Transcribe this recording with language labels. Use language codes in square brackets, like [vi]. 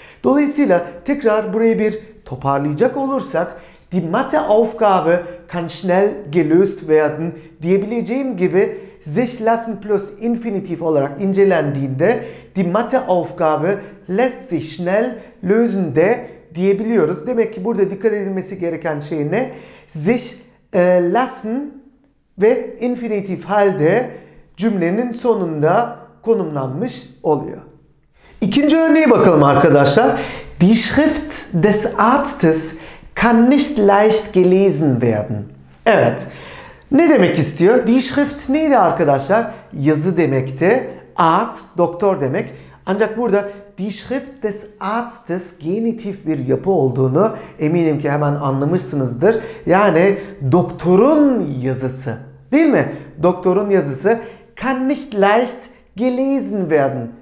[tr] Dolayısıyla tekrar burayı bir toparlayacak olursak [de] Die Matheaufgabe kann schnell gelöst werden [tr] diyebileceğim gibi [de] sich lassen plus infinitiv [tr] olarak incelendiğinde [de] die Matheaufgabe lässt sich schnell lösen [tr] de diyebiliyoruz. Demek ki burada dikkat edilmesi gereken şey ne? Sich lassen ve infinitiv halde cümlenin sonunda konumlanmış oluyor. İkinci örneğe bakalım arkadaşlar. [de] Die Schrift des Arztes kann nicht leicht gelesen werden. [tr] Evet. Ne demek istiyor? Die Schrift neydi arkadaşlar? Yazı demekti. Arzt, doktor demek. Ancak burada [de] die Schrift des Arztes [tr] genitif bir yapı olduğunu eminim ki hemen anlamışsınızdır. Yani doktorun yazısı. Değil mi? Doktorun yazısı. [de] Kann nicht leicht gelesen werden.